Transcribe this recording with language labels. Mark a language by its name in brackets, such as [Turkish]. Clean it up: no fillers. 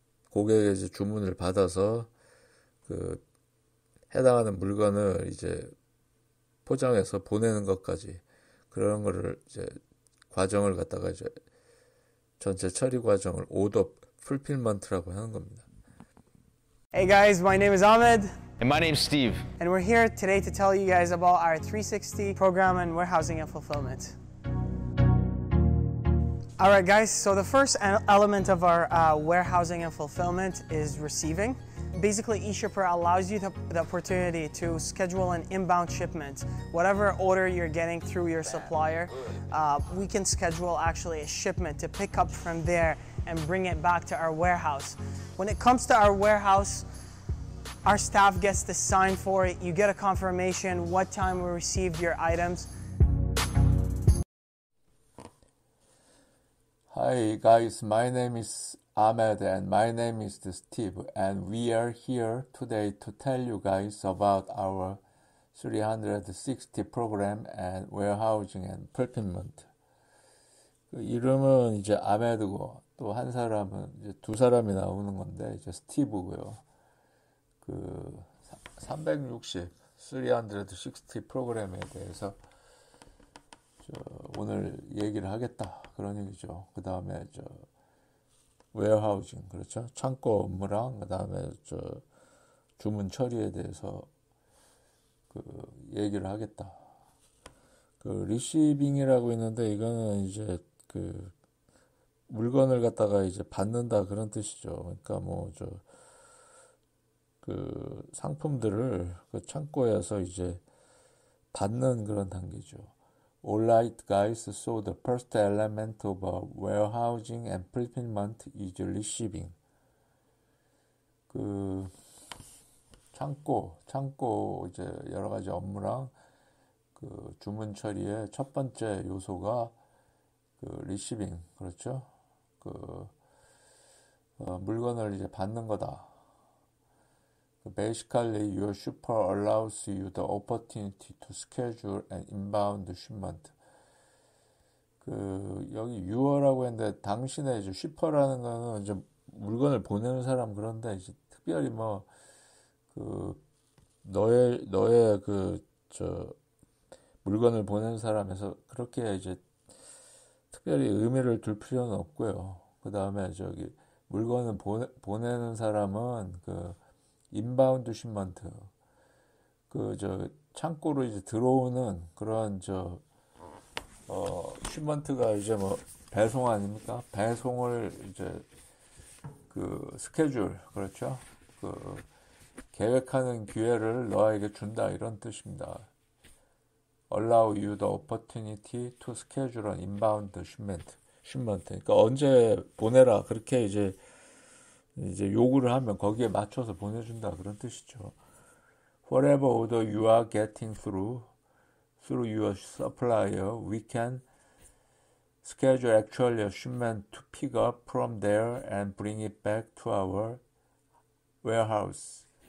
[Korean] 고객의 이제 주문을 받아서 그 해당하는 물건을 이제 포장해서 보내는 것까지 그런 거를 이제 과정을 갖다가 이제 전체 처리 과정을 오더 풀필먼트라고 하는 겁니다. [English] Hey guys, my name is Ahmed. And my name's Steve. And we're here today to tell you guys about our 360 program and warehousing and fulfillment. All right, guys, so the first element of our warehousing and fulfillment is receiving. Basically, e-shipper allows you the opportunity to schedule an inbound shipment. Whatever order you're getting through your supplier, we can schedule actually a shipment to pick up from there and bring it back to our warehouse. When it comes to our warehouse, our staff gets to sign for it. You get a confirmation what time we received your items. Hi guys, my name is Ahmed and my name is Steve, and we are here today to tell you guys about our 360 program and warehousing and fulfillment. [Korean] 그 이름은 이제 아메드고, 또 한 사람은 이제 두 사람이 나오는 건데, 이제 스티브고요. 그 360 프로그램에 대해서 오늘 얘기를 하겠다 그런 얘기죠. 그 다음에 저 웨어하우징, 그렇죠? 창고 업무랑 그 다음에 저 주문 처리에 대해서 그 얘기를 하겠다. 그 리시빙이라고 있는데, 이거는 이제 그 물건을 갖다가 이제 받는다 그런 뜻이죠. 그러니까 뭐 저 그 상품들을 그 창고에서 이제 받는 그런 단계죠. [English] Alright guys, so the first element of warehousing and fulfillment is receiving. [Korean] 그 창고 이제 여러 가지 업무랑 그 주문 처리의 첫 번째 요소가 그 receiving, 그렇죠? 그 물건을 이제 받는 거다. [English] Basically, your shipper allows you the opportunity to schedule an inbound shipment. [Korean] 여기 유어라고 했는데, 당신의 이제 쉬퍼라는 거는 이제 물건을 보내는 사람, 그런데 이제 특별히 뭐그 너의 그저 물건을 보내는 사람에서 그렇게 이제 특별히 의미를 둘 필요는 없고요. 그 다음에 저기 물건을 보내는 사람은 그 인바운드 쉬먼트, 그저 창고로 이제 들어오는 그런 저 쉬먼트가 이제 뭐 배송 아닙니까? 배송을 이제 그 스케줄, 그렇죠? 그 계획하는 기회를 너에게 준다 이런 뜻입니다. [English] Allow you the opportunity to schedule an inbound shipment. [Korean] 그러니까 언제 보내라, 그렇게 이제 요구를 하면 거기에 맞춰서 보내준다 그런 뜻이죠. [English] Whatever order you are getting through your supplier, we can schedule actually a shipment to pick up from there and bring it back to our warehouse.